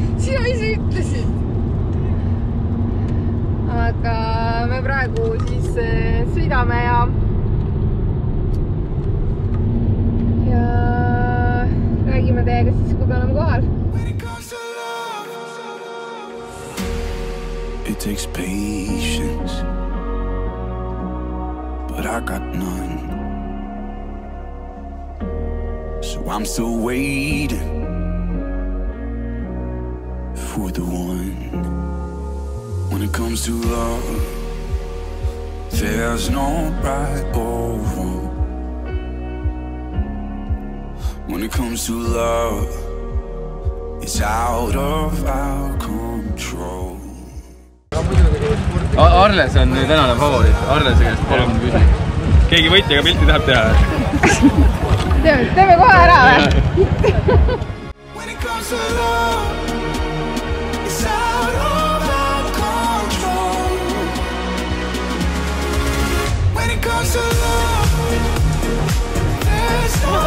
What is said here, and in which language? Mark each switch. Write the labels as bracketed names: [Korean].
[Estonian] Sina ise ütlesid. Aga me praegu siis sõidame ja räägime teiega siis, kui me oleme kohal. [English] It takes patience, but I got none. So I'm still waiting for the one. When it comes to love, there's no right or wrong. When it comes to love, it's out of our control. [Estonian] Arles on nüüd enane favorit. Arles käest palun küsi. Keegi võitjaga pilti tahab teha. Teeme kohe ära. [English] When it comes to love,